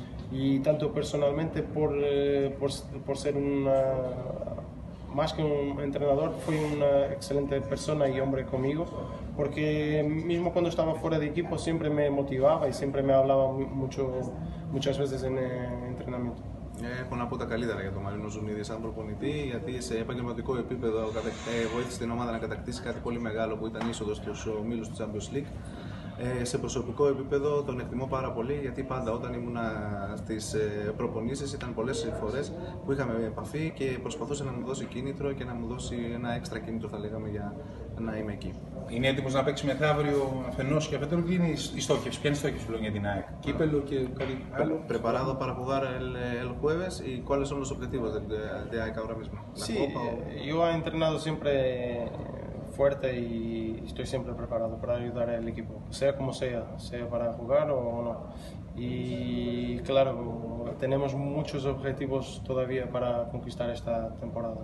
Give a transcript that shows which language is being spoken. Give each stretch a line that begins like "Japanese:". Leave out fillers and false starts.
Spanish: Y tanto personalmente por ser una, más que un entrenador, fue una excelente persona y hombre conmigo, porque mismo cuando estaba fuera de equipo siempre me motivaba y siempre me hablaba muchas veces en entrenamiento.
Greek: Έχω να πω τα καλύτερα για τον Μαρίνο Ζουνίδη σαν προπονητή, γιατί σε επαγγελματικό επίπεδο βοήθησε την ομάδα να κατακτήσει κάτι πολύ μεγάλο που ήταν είσοδος στους ομίλους του Champions League. Σε προσωπικό επίπεδο τον εκτιμώ πάρα πολύ, γιατί πάντα όταν ήμουν στις προπονήσεις ήταν πολλές φορές που είχαμε επαφή και προσπαθούσε να μου δώσει κίνητρο και να μου δώσει ένα έξτρα κίνητρο, θα λέγαμε, για να είμαι εκεί. Είναι έτοιμος να παίξει μεθαύριο αφενός και αφετέρου, τι είναι η στόχευση, ποια είναι η στόχευση για την ΑΕΚ, κύπελο και κάτι άλλο.
Spanish: Preparado para jugar el jueves y cuáles son los objetivos de AEK ahora mismo. Sí, yo he entrenado siempre fuerte y estoy siempre preparado para ayudar al equipo, sea como sea, sea para jugar o no. Y claro, tenemos muchos objetivos todavía para conquistar esta temporada.